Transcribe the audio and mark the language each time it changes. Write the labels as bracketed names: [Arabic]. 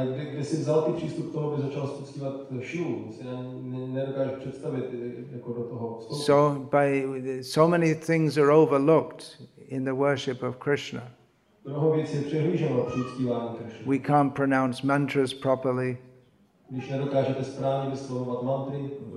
[Czech] Kde jsi vzal ty přístup k tomu, aby začal uctívat Shivu? Nedokážeš představit jako do toho vstoupit. [English] So many things are overlooked in the worship of Krishna. [Czech] Mnoho věcí je přehlíženo při uctívání Krishna. [English] We can't pronounce mantras properly. [Czech] Když nedokážete správně vyslovovat mantry.